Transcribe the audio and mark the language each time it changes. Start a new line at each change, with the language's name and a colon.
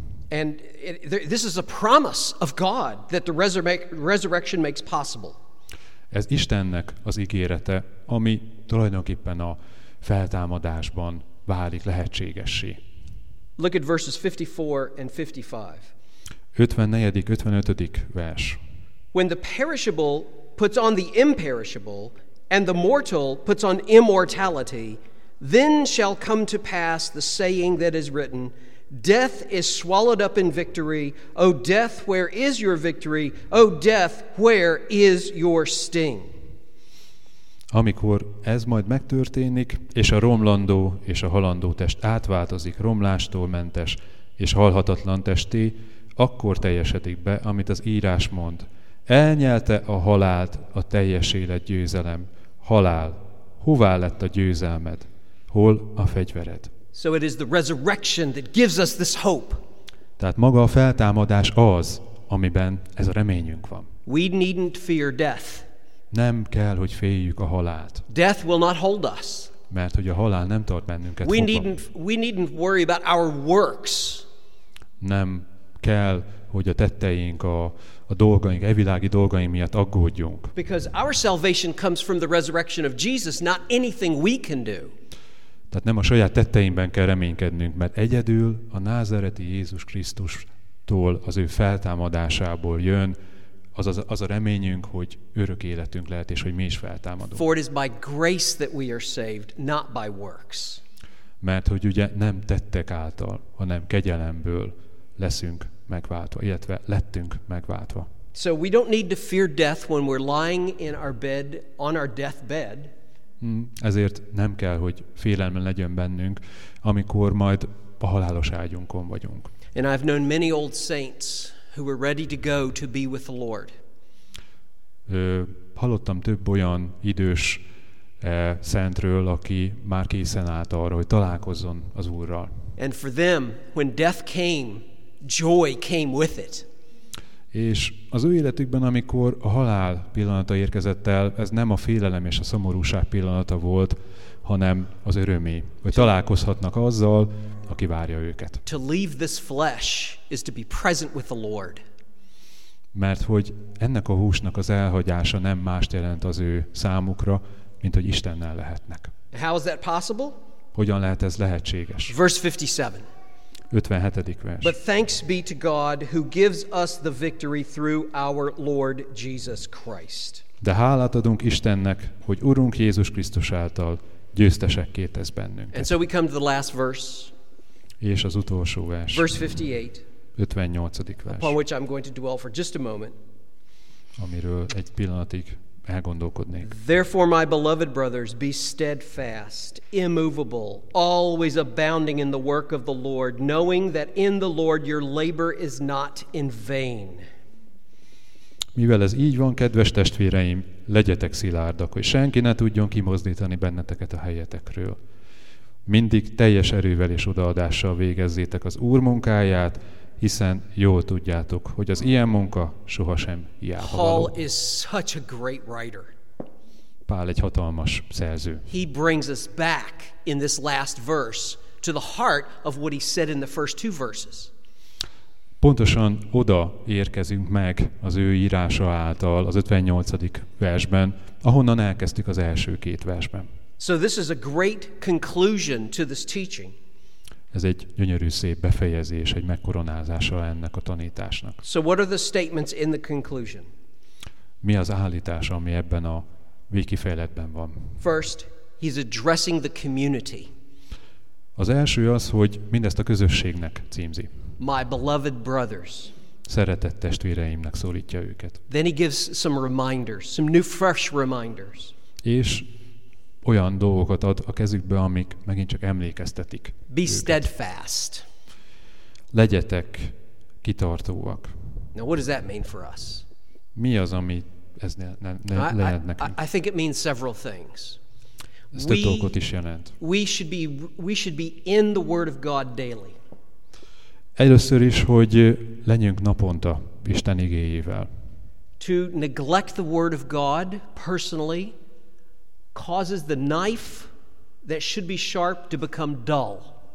English: And this is a promise of God that the resurrection makes possible.
Hungarian: Ez Istennek az ígérete, ami tulajdonképpen a feltámadásban válik lehetségessé.
English: Look at verses 54 and 55.
Hungarian: 54. 55. vers.
English: When the perishable puts on the imperishable and the mortal puts on immortality, then shall come to pass the saying that is written, death is swallowed up in victory. O death, where is your victory? O death, where is your sting?
Hungarian: Amikor ez majd megtörténik, és a romlandó és a halandó test átváltozik romlástól mentes és halhatatlan testé, akkor teljesedik be, amit az írás mond. Elnyelte a halált a teljes élet győzelem. Halál, hová lett a győzelmed? Hol a fegyvered?
English: So it is the resurrection that gives us this hope.
Hungarian: Tehát maga a feltámadás az, amiben ez a reményünk van.
English: We needn't fear death.
Hungarian: Nem kell, hogy féljük a halált.
English: Death will not hold us.
Hungarian: Mert hogy a halál nem tart bennünket.
English: We needn't worry about our works.
Hungarian: Nem kell, hogy a tetteink, a dolgaink, e világi dolgaink miatt aggódjunk.
English: Because our salvation comes from the resurrection of Jesus, not anything we can do.
Hungarian: Tehát nem a saját tetteinkben kell reménykednünk, mert egyedül a názareti Jézus Krisztustól, az ő feltámadásából jön az a reményünk, hogy örök életünk lehet, és hogy mi is feltámadunk.
English: For it is by grace that we are saved, not by works.
Hungarian: Mert hogy ugye nem tettek által, hanem kegyelemből leszünk megváltva, illetve lettünk megváltva.
English: So we don't need to fear death when we're lying in our bed, on our deathbed.
Hungarian: Ezért nem kell, hogy félelme legyen bennünk, amikor majd a halálos ágyunkon vagyunk.
English: And I've known many old saints who were ready to go to be with the Lord.
Hungarian: Hallottam több olyan idős szentről, aki már készen állt arra, hogy találkozzon az Úrral.
English: And for them, when death came, joy came with it.
Hungarian: És az ő életükben, amikor a halál pillanata érkezett el, ez nem a félelem és a szomorúság pillanata volt, hanem az örömé, hogy találkozhatnak azzal, aki várja őket.
English: To leave this flesh is to be present with the Lord.
Hungarian: Mert hogy ennek a húsnak az elhagyása nem mást jelent az ő számukra, mint hogy Istennel lehetnek.
English: How is that possible?
Hungarian: Hogyan lehet ez lehetséges?
English: Verse 57.
Hungarian: 57. vers.
English: But thanks be to God who gives us the victory through our Lord Jesus Christ.
Hungarian: De hálát adunk Istennek, hogy Urunk Jézus Krisztus által győztesekké tesz bennünket.
English: And so we come to the last verse.
Hungarian: És az utolsó vers.
English: Verse 58.
Hungarian: 58. vers.
English: Upon which I'm going to dwell for just a moment.
Hungarian: Amiről egy pillanatig elgondolkodnék.
English: Therefore, my beloved brothers, be steadfast, immovable, always abounding in the work of the Lord, knowing that in the Lord your labor is not in vain.
Hungarian: Mivel ez így van, kedves testvéreim, legyetek szilárdak, hogy senki ne tudjon kimozdítani benneteket a helyetekről. Mindig teljes erővel és odaadással végezzétek az Úr munkáját, hiszen jól tudjátok, hogy az ilyen munka sohasem hiába való.
English: Paul is such a great writer.
Hungarian: Pál egy hatalmas szerző.
English: He brings us back in this last verse to the heart of what he said in the first two verses.
Hungarian: Pontosan oda érkezünk meg az ő írása által az 58. versben, ahonnan elkezdtük az első két versben.
English: So this is a great conclusion to this teaching.
Hungarian: Ez egy gyönyörű szép befejezés, egy megkoronázása ennek a tanításnak.
English: So what are the statements in the conclusion?
Hungarian: Mi az állítás, ami ebben a végkifejletben van?
English: First, he's addressing the community.
Hungarian: Az első az, hogy mindezt a közösségnek címzi.
English: My beloved brothers.
Hungarian: Szeretett testvéreimnek szólítja őket.
English: Then he gives some reminders, some new fresh reminders.
Hungarian: És olyan dolgokat ad a kezükbe, amik megint csak emlékeztetik.
English: Be steadfast.
Hungarian: Legyetek kitartóak.
English: Now what does that mean for us?
Hungarian: Mi az, ami ez lehet nekünk?
English: I think it means several things.
Hungarian: Ez több dolgot is jelent.
English: We should be in the Word of God daily.
Hungarian: Először is, hogy legyünk naponta Isten igéjével.
English: To neglect the Word of God personally causes the knife that should be sharp to become dull.